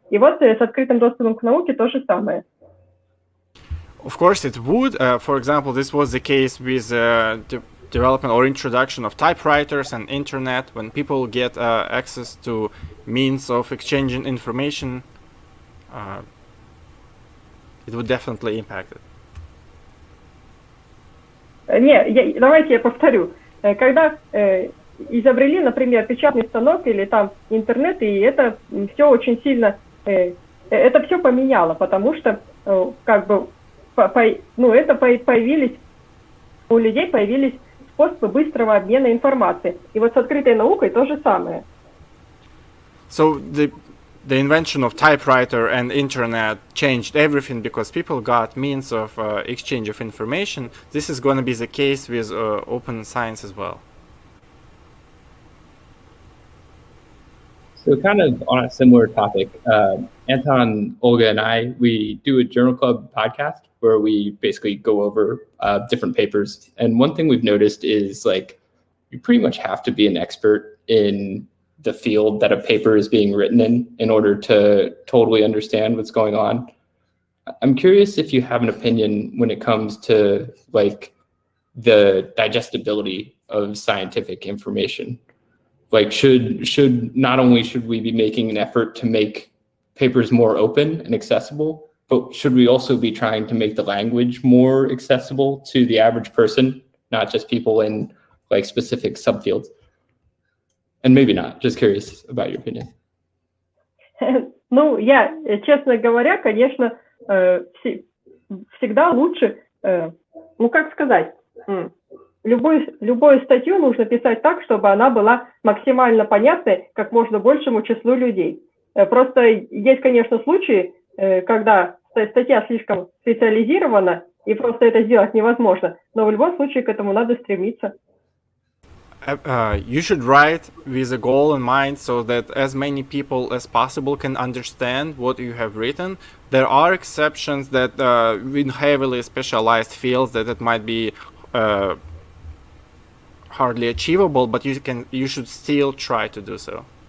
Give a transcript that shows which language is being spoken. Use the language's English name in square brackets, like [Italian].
[Russian] И вот с открытым доступом к науке то же самое. [English] Of course it would. For example, this was the case with the development or introduction of typewriters and internet, when people get access to means of exchanging information, it would definitely impact it. [Russian] Давайте я повторю. Когда изобрели, например, печатный станок или там интернет, и это все очень сильно, это все поменяло, потому что, как бы, появились у людей появились способы быстрого обмена информации. И вот с открытой наукой то же самое. [English] So the invention of typewriter and internet changed everything because people got means of exchange of information. This is going to be the case with open science as well. So kind of on a similar topic, Anton, Olga, and I, we do a journal club podcast where we basically go over different papers. And one thing we've noticed is, like, you pretty much have to be an expert in the field that a paper is being written in order to totally understand what's going on. I'm curious if you have an opinion when it comes to, like, the digestibility of scientific information. Like, should not only should we be making an effort to make papers more open and accessible, but should we also be trying to make the language more accessible to the average person, not just people in, like, specific subfields? And maybe not. Just curious about your opinion. [Russian] Ну, я, честно говоря, конечно, всегда лучше, ну, как сказать, любую статью нужно писать так, чтобы она была максимально понятной как можно большему числу людей. Просто есть, конечно, случаи, когда статья слишком специализирована, и просто это сделать невозможно, но в любом случае к этому надо стремиться. [English] You should write with a goal in mind so that as many people as possible can understand what you have written. There are exceptions that in heavily specialized fields that it might be hardly achievable, but you should still try to do so.